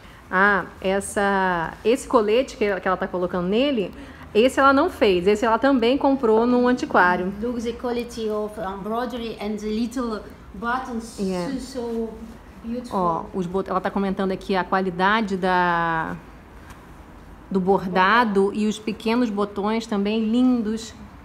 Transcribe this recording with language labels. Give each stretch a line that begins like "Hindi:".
Portuguese: Ah, esse colete que ela está colocando nele, esse ela não fez. Esse ela também comprou num antiquário.
English: Look the quality of embroidery and the little buttons. Yeah. So beautiful.
Portuguese: Os botões. Ela está comentando aqui a qualidade do bordado e os pequenos botões também lindos.